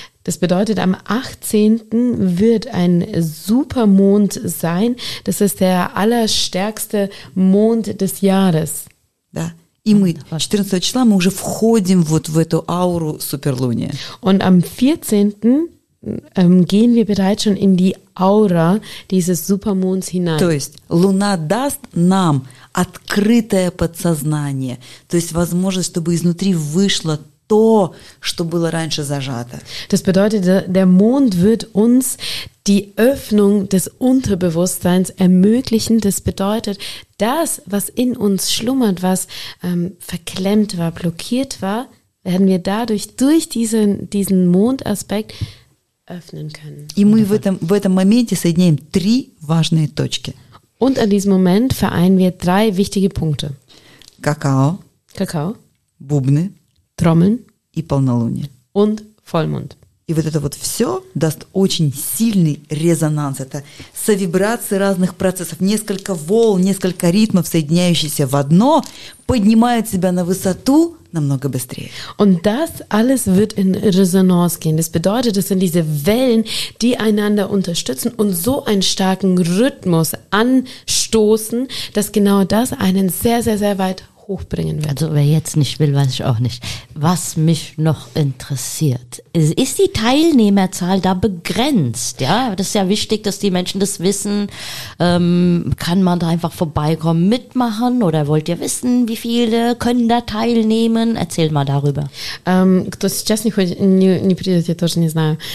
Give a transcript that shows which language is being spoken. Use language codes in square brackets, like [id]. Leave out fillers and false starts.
[de] Das bedeutet, am 18. wird ein Supermond sein, das ist der allerstärkste Mond des Jahres. [ru] Да. И мы 14 числа мы уже входим вот в эту ауру суперлуния. [de] Und am 14. Gehen wir bereits schon in die Aura dieses Supermonds hinein. [ru] То есть Луна даст нам открытое подсознание, то есть возможность, чтобы изнутри вышло то, что было раньше зажато. [de] Das bedeutet, der Mond wird uns die Öffnung des Unterbewusstseins ermöglichen. Das bedeutet, das, was in uns schlummert, was verklemmt war, blockiert war, werden wir dadurch durch diesen Mondaspekt öffnen können. [ru] И мы в этом моменте соединяем три важные точки. [de] Und an diesem Moment vereinen wir drei wichtige Punkte. [ru] Kakao. Бубны. [de] Trommeln. [ru] И полнолуние. [de] Und Vollmond. [ru] И вот это вот все даст очень сильный резонанс. Это совибрации разных процессов, несколько волн, несколько ритмов, соединяющихся в одно, поднимают себя на высоту намного быстрее. [de] Und das alles wird in Resonanz gehen. Das bedeutet, es sind diese Wellen, die einander unterstützen und so einen starken Rhythmus anstoßen, dass genau das einen sehr, sehr, sehr weit hochbringen wird. Also wer jetzt nicht will, weiß ich auch nicht. Was mich noch interessiert, ist die Teilnehmerzahl da begrenzt? Ja, das ist ja wichtig, dass die Menschen das wissen. Kann man da einfach vorbeikommen, mitmachen oder wollt ihr wissen, wie viele können da teilnehmen? Erzähl mal darüber. [ru] Кто сейчас не придет, я тоже не знаю.